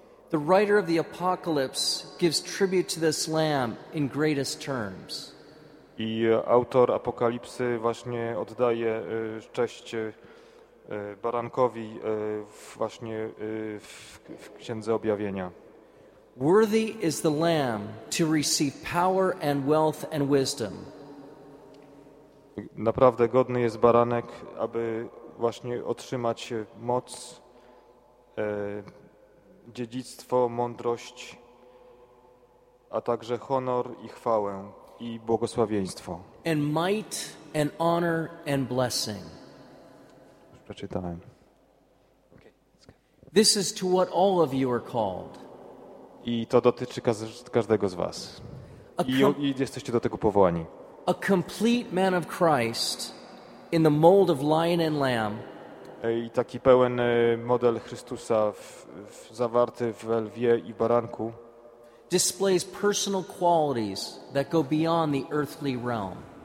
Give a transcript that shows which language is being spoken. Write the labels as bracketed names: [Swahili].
[English] The writer of the Apocalypse gives tribute to this lamb in greatest terms. [Polish] I autor Apokalipsy właśnie oddaje cześć Barankowi właśnie w Księdze Objawienia. [English] Worthy is the Lamb to receive power and wealth and wisdom. [Polish] Naprawdę godny jest Baranek, aby właśnie otrzymać moc, dziedzictwo, mądrość, a także honor i chwałę i błogosławieństwo. [English] And might and honor and blessing. [Polish] Już przeczytałem. [English] Okay, let's go. This is to what all of you are called. [Polish] I to dotyczy każdego z was. I jesteście do tego powołani. [English] A complete man of Christ in the mold of lion and lamb. [Polish] I taki pełen model Chrystusa zawarty w lwie i baranku. [English] Displays personal qualities that go beyond the earthly realm.